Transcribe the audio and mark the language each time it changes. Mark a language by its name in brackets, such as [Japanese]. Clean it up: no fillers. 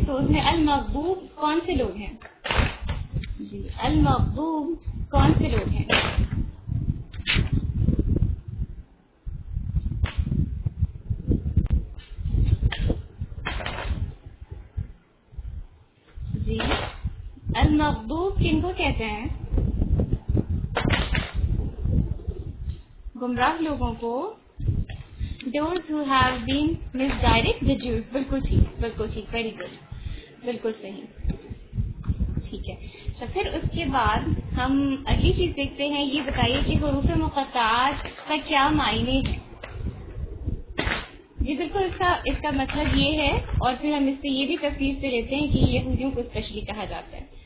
[Urdu] تو اس میں المغضوب کون سے لوگ ہیں؟ جی المغضوب کون سے لوگ ہیں؟ جی المغضوب کن کو کہتے ہیں؟ گمراہ لوگوں کو. [English] Those who have been misdirected, the Jews. [Urdu] بالکل ٹھیک, بالکل ٹھیک, ویری گڈ, بالکل صحیح. ٹھیک ہے, اچھا پھر اس کے بعد ہم اگلی چیز دیکھتے ہیں. یہ بتائیے کہ حروف مقطعات کا کیا معنی ہے؟ جی بالکل, اس کا مطلب یہ ہے. اور پھر ہم اس سے یہ بھی تفصیل سے لیتے ہیں کہ یہودیوں کو اسپیشلی کہا جاتا ہے.